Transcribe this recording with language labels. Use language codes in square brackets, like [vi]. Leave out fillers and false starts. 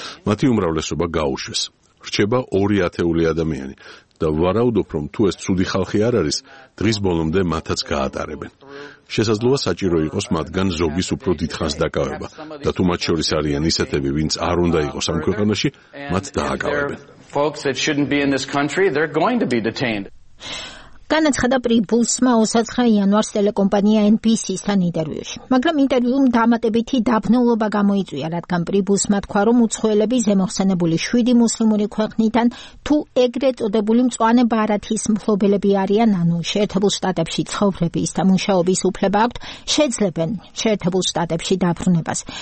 [ka] მათი უმრავლესობა გაუშვეს. რჩება 200 ადამიანი და ვარაუდობ, რომ თუ ეს ცუდი ხალხი არ არის, დღის ბოლომდე მათაც გაატარებენ. შესაძლოა საჭირო იყოს მათგან ზოგის უფრო დიდხანს დაკავება და თუ მათ შორის არიან ისეთები, ვინც არ უნდა იყოს ამ ქვეყანაში, მათ დააკავებენ. [en] Folks that shouldn't be in this country, they're going to be detained. [ka] განაცხადა პრიბუსმა 29 იანვარს ტელეკომპანია NBC-სთან ინტერვიუში. მაგრამ ინტერვიუმ დამატებითი დაბნელობა გამოიწვია, რადგან პრიბუსმა თქვა, რომ უცხოელები ზემოხსენებული შვიდი მუსლიმური ქვეყნიდან თუ ეგრეთ წოდებული მწვანე ბარათის მფლობელები არიან, ანუ შეერთებულ შტატებში ცხოვრების და მუშაობის უფლება აქვთ, შეძლებენ შეერთებულ შტატებში დაბრუნებას.